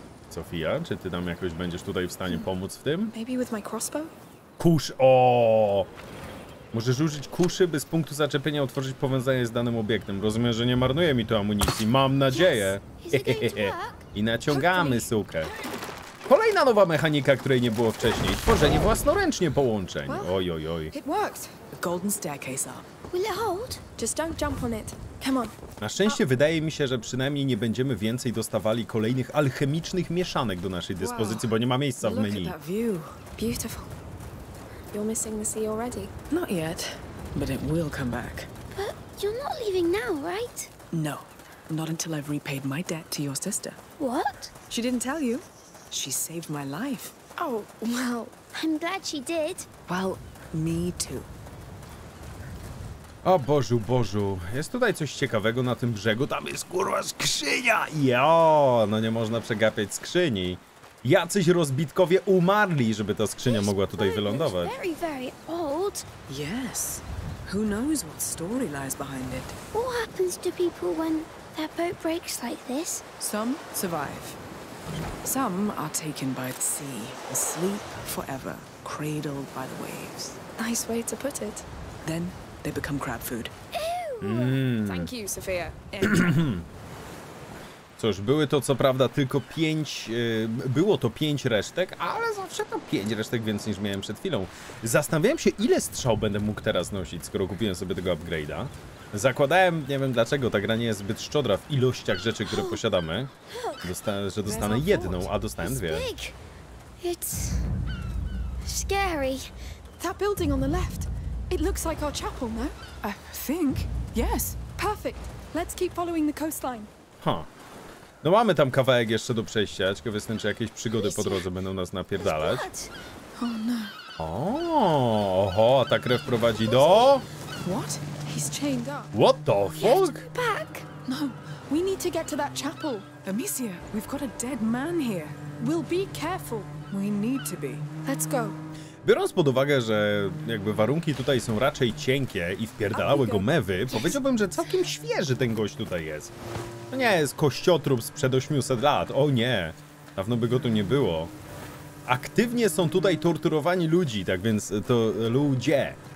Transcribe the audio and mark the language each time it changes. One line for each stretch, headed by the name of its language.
Polish: Sofia, czy ty nam jakoś będziesz tutaj w stanie pomóc w tym? Kusz, o! Możesz użyć kuszy, by z punktu zaczepienia otworzyć powiązanie z danym obiektem. Rozumiem, że nie marnuje mi to amunicji. Mam nadzieję. I naciągamy sukę. Kolejna nowa mechanika, której nie było wcześniej. Tworzenie własnoręcznie połączeń. Oj.
English: It worked. The golden staircase up. Will it hold? Just don't jump on it. Come on.
Polish: Na szczęście wydaje mi się, że przynajmniej nie będziemy więcej dostawali kolejnych alchemicznych mieszanek do naszej dyspozycji, bo nie ma miejsca w menu.
English: Look at that view. Beautiful. You're missing the sea already. Not yet, but it will come back. But you're not leaving now, right? No. Not until I've repaid my debt to your sister. What? She didn't tell you. She saved my life. Oh, well, I'm glad she did. Well, me too.
Polish: O Boże, Boże, jest tutaj coś ciekawego na tym brzegu. Tam jest kurwa skrzynia. Jo, no nie można przegapiać skrzyni. Jacyś rozbitkowie umarli, żeby ta skrzynia mogła tutaj wylądować.
English: Very, very old. Yes. Who knows what story lies behind it? What happens to people when their boat breaks like this? Some survive. Some are taken by the sea, asleep forever, cradled by the waves. Nice way to put it. Then they become crab food. Thank you, Sophia.
Polish: Cóż, były to co prawda tylko pięć, było to pięć resztek, ale zawsze to pięć resztek więcej niż miałem przed chwilą. Zastanawiałem się, ile strzał będę mógł teraz nosić, skoro kupiłem sobie tego upgrade'a. Zakładałem, nie wiem dlaczego, ta gra nie jest zbyt szczodra w ilościach rzeczy, które posiadamy. Dostanę jedną, a dostałem dwie.
English: It's scary. That building on the left. It looks like our chapel, no? I think. Yes. Perfect. Let's keep following the coastline.
Polish: No mamy tam kawałek jeszcze do przejścia, tylko wystarczy, czy jakieś przygody po drodze będą nas napierdalać. Oho, a ta krew prowadzi do...
English: What? He's chained up. What the fuck? Back. No, we need to get to that chapel. Amicia, we've got a dead man here. We'll be careful. We need to be. Let's go.
Polish: Biorąc pod uwagę, że jakby warunki tutaj są raczej cienkie i wpierdalały go mewy, powiedziałbym, że całkiem świeży ten gość tutaj jest. To nie jest kościotrup sprzed 800 lat, o nie. Dawno by go tu nie było. Aktywnie są tutaj torturowani ludzi, tak więc to ludzie.